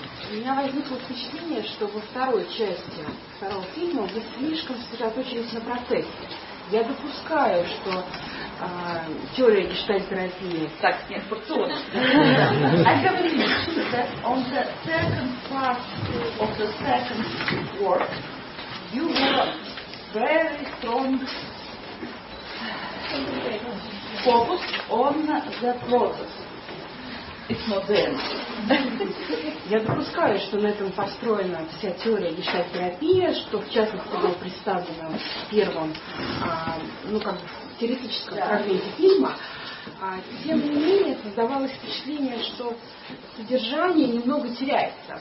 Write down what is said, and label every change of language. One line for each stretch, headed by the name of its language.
Russian: У меня возникло впечатление, что во второй части второго фильма вы слишком сосредоточились на процессе. Я допускаю, что теория гештальт-терапии так не функционирует.
English: I believe that on the second part of the second work you were very strong focus on the process. It's not the answer.
Russian: Я допускаю, что на этом построена вся теория гештальт-терапии, что в частности было представлено в первом, ну как бы, теоретическом фрагменте фильма. Тем не менее, создавалось впечатление, что содержание немного теряется.